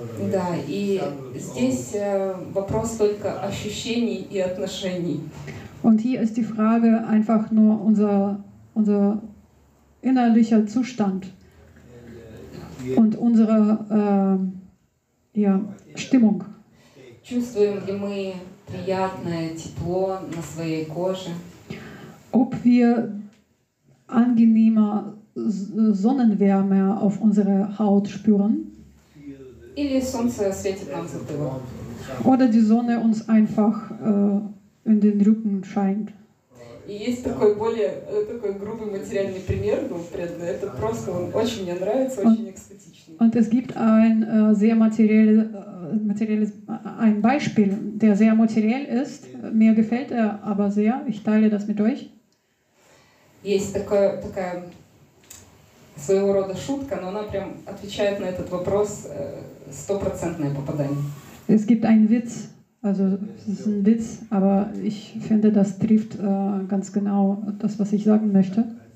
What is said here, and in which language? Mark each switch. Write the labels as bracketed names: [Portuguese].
[Russian] Да, и здесь вопрос только ощущений и отношений. [German] Und hier ist die Frage einfach nur unser innerlicher Zustand und unsere ja, Stimmung. [Russian] Чувствуем ли мы приятное тепло на своей коже? [German] Ob wir angenehmer Sonnenwärme auf unserer Haut spüren? [Russian] Или солнце светит нам в затылок? [German] Oder die Sonne uns einfach in den Rücken scheint? [Russian] И есть такой более такой грубый материальный пример, но преданный. Это просто, он очень мне нравится, очень экстатичный. [German] Und es gibt ein sehr materielles ein Beispiel, der sehr materiell ist. Mir gefällt er aber sehr. Ich teile das mit euch. [Russian] Есть такая своего рода шутка, но она прям отвечает на этот вопрос стопроцентное попадание. [German] Es gibt einen Witz. Also es ist ein Witz, aber ich finde, das trifft ganz genau das, was ich sagen möchte.